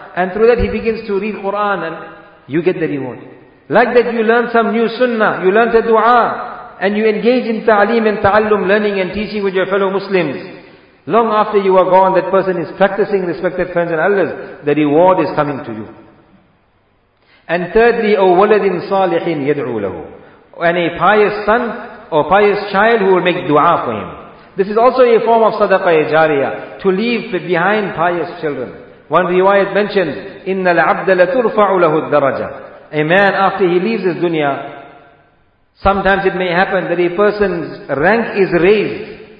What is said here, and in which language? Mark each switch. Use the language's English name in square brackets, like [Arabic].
[English] And through that he begins to read Quran and you get the reward. Like that you learn some new sunnah, you learn the dua, and you engage in ta'aleem and ta'allum, learning and teaching with your fellow Muslims. Long after you are gone, that person is practicing, respected friends and elders, the reward is coming to you. And thirdly, [Arabic] أَوْ وَلَدٍ صَالِحٍ يَدْعُو لَهُ. [English] And a pious son or pious child who will make dua for him. This is also a form of sadaqah jariyah, to leave behind pious children. One riwayat mentions, [Arabic] إِنَّ الْعَبْدَ لَتُرْفَعُ لَهُ الدَّرَجَةِ. [English] A man, after he leaves his dunya, sometimes it may happen that a person's rank is raised.